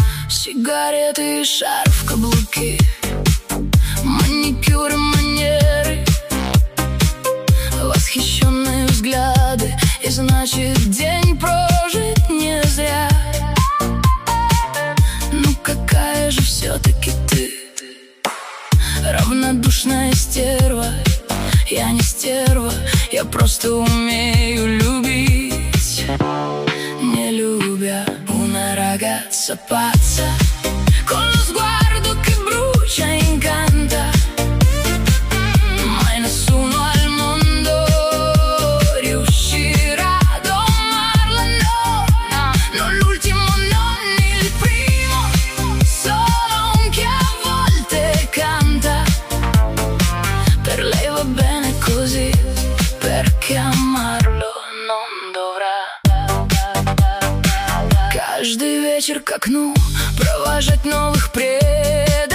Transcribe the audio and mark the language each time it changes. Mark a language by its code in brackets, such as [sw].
[ru] Сигареты и шарф, каблуки, маникюр и манеры, восхищенные взгляды, и значит, день прожит не зря. Ну какая же все-таки ты, равнодушная стерва. Я не стерва, я просто умею любить, не любя. [it] Una ragazza pazza, con lo sguardo che brucia incanta. Mai nessuno al mondo riuscirà ad amarla, no. Non l'ultimo, non il primo, solo un che a volte canta. Per lei va bene. Perché amarlo non dovrà. [ru] Каждый вечер к окну провожать новых предков.